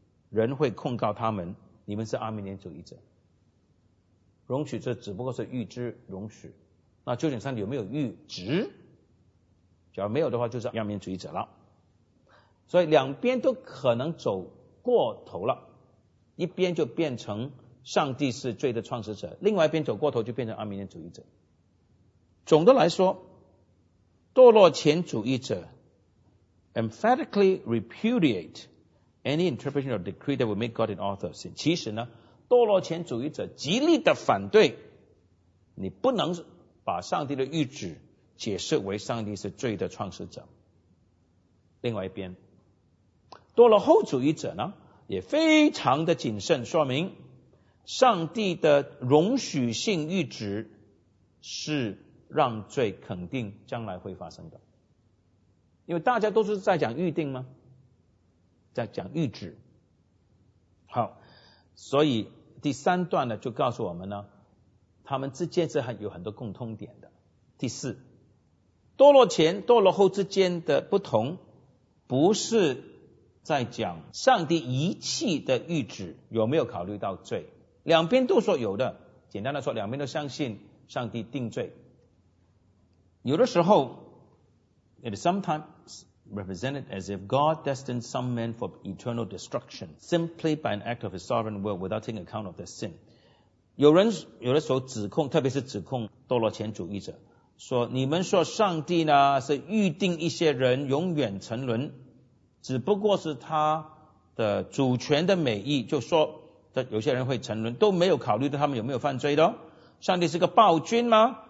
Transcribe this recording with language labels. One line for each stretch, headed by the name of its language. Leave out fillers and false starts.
Chinese: 人会控告他们，你们是阿米尼主义者，容许这只不过是预知容许，那究竟上帝有没有预旨？假如没有的话，就是阿米尼主义者了。所以两边都可能走过头了，一边就变成上帝是罪的创始者，另外一边走过头就变成阿米尼主义者。总的来说，堕落前主义者
English: emphatically repudiate any interpretation or decree that will make God an author of sin。
Chinese: 其实呢，堕落前主义者极力的反对你不能把上帝的谕旨解释为上帝是罪的创始者。另外一边，堕落后主义者呢也非常的谨慎，说明上帝的容许性谕旨是让罪肯定将来会发生的，因为大家都是在讲预定吗，在讲谕旨。好，所以第三段呢就告诉我们呢，他们之间是有很多共通点的。第四，堕落前堕落后之间的不同不是在讲上帝遗弃的谕旨有没有考虑到罪，两边都说有的，简单的说两边都相信上帝定罪。有的时候
English: it is sometimes represented as if God destined some men for eternal destruction simply by an act of his sovereign will without taking account of their sin。
Chinese: 有人有的时候指控，特别是指控堕落前主义者，说你们说上帝呢是预定一些人永远沉沦，只不过是他的主权的美意，就说这有些人会沉沦都没有考虑到他们有没有犯罪的、哦、上帝是个暴君吗？